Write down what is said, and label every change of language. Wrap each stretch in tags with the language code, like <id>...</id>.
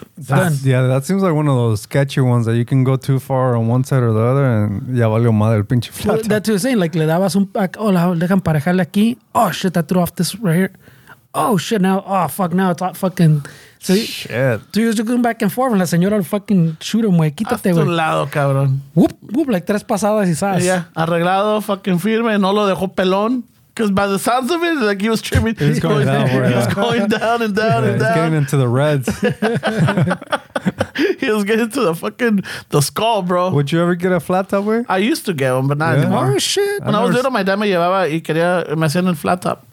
<en>That seems like one of those sketchy ones that you can go too far on one side or the other and</en> <es>ya valió madre el pinche flat.</es> <en>That's what you're saying. Like,</en> <es>le dabas un pack. Oh, dejan parejarle aquí.</es> <en>Oh, shit. I threw off this right here. Oh shit, now, oh fuck, now it's all fucking. So shit. So you're just going back and forth, and</en> <es>la señora</es> <en>will fucking shoot him, güey.</en> <es>Quítate, güey. A tu lado, cabrón.</es> <en>Whoop, whoop, like</en> <es>tres pasadas y sas.</es> <en>Yeah,</en> <es>arreglado,</es> <en>fucking</en> <es>firme, no lo dejó pelón.</es> <en>Because by the sounds of it, like he was trimming. He's going down, he was going down and down and down. He's getting into the reds. He was getting to the fucking the skull, bro. Would you ever get a flat top, güey? I used to get one, but not anymore. Oh, shit. When I was little, my dad</en> <es>me llevaba y quería, me hacían el flat top.</es>